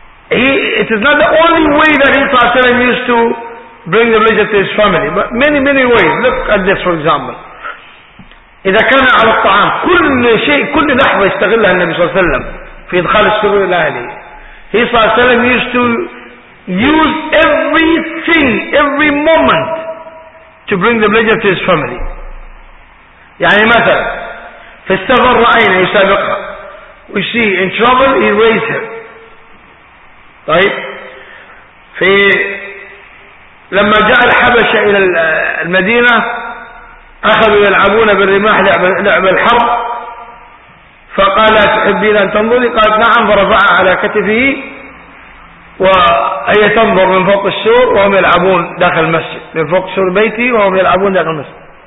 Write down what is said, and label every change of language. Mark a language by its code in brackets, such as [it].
[en] It is not the only way that he صلى الله عليه وسلم used to bring religion to his family, but many many ways. Look at this for example. [ar] إذا كان على الطعام كل شيء كل لحظة يستغلها النبي صلى الله عليه وسلم في إدخال السرور إلى أهله. [en] He صلى الله عليه وسلم used to use everything, every moment to bring the religion to his family. [ar] يعني مثلا في السفر رأينا يسابقها. [en] We see in trouble he raised her. [ar] طيب في لما جاء الحبشة إلى المدينة أخذوا يلعبون بالرماح لعب الحرب فقال تحبين أن تنظري؟ قالت نعم. فرفع على كتفه وهي تنظر من فوق السور وهم يلعبون داخل المسجد من فوق سور بيتي وهم يلعبون داخل المسجد.